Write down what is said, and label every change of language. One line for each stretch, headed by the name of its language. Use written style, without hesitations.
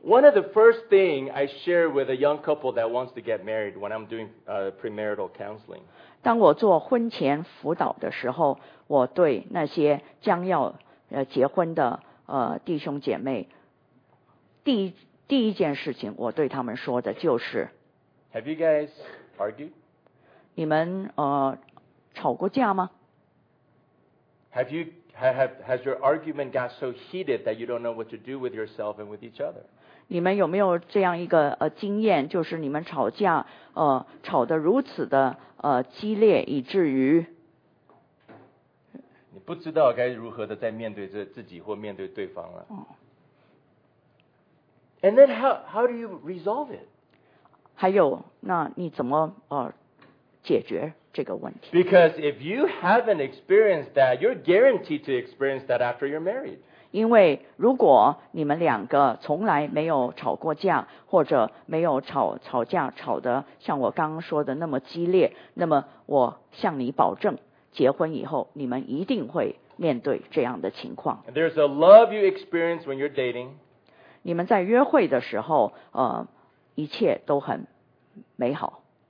English: One of the first things I share with a young couple that wants to get married when I'm doing premarital counseling.
Chinese: 当我做婚前辅导的时候，我对那些将要结婚的弟兄姐妹，第一件事情我对他们说的就是
English: ，Have you guys argued?
Chinese: 你们吵过架吗？
English: Has your argument got so heated that you don't know what to do with yourself and with each other?
Chinese: 你们有没有这样一个经验，就是你们吵架吵得如此的激烈，以至于你不知道该如何的在面对自己或面对对方了。
English: And then how do you resolve it?
Chinese: 还有，那你怎么解决？
English: Because if you haven't experienced that, you're guaranteed to experience that after you're married.
Chinese: 因为如果你们两个从来没有吵过架，或者没有吵架吵得像我刚刚说的那么激烈，那么我向你保证，结婚以后你们一定会面对这样的情况。
English: There's a love you experience when you're dating.
Chinese: 你们在约会的时候，一切都很美好。